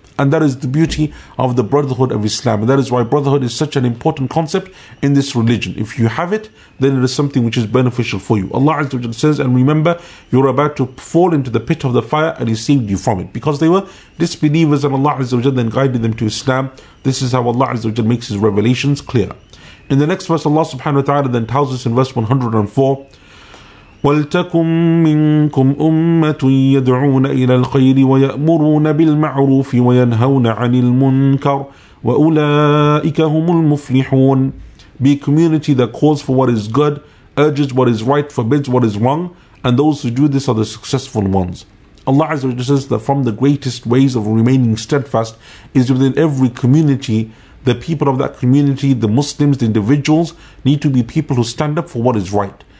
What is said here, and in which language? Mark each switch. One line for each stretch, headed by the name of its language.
English: And that is the beauty of the brotherhood of Islam. And that is why brotherhood is such an important concept in this religion. If you have it, then it is something which is beneficial for you. Allah Azza wa Jalla says, and remember, you're about to fall into the pit of the fire, and He saved you from it. Because they were disbelievers, and Allah Azza wa Jalla then guided them to Islam. This is how Allah Azza wa Jalla makes His revelations clear.
Arabic: In the next verse, Allah subhanahu wa ta'ala then tells us in verse 104, وَلْتَكُمْ مِنْكُمْ أُمَّةٌ يَدْعُونَ إِلَى الْخَيْرِ وَيَأْمُرُونَ بِالْمَعْرُوفِ وَيَنْهَوْنَ عَنِ الْمُنْكَرِ وَأُولَٰئِكَ هُمُ الْمُفْلِحُونَ.
English: Be a community that calls for what is good, urges what is right, forbids what is wrong, and those who do this are the successful ones. Allah Azza wa Jalla says that from the greatest ways of remaining steadfast is within every community, the people of that community, the Muslims, the individuals, need to be people who stand up for what is right.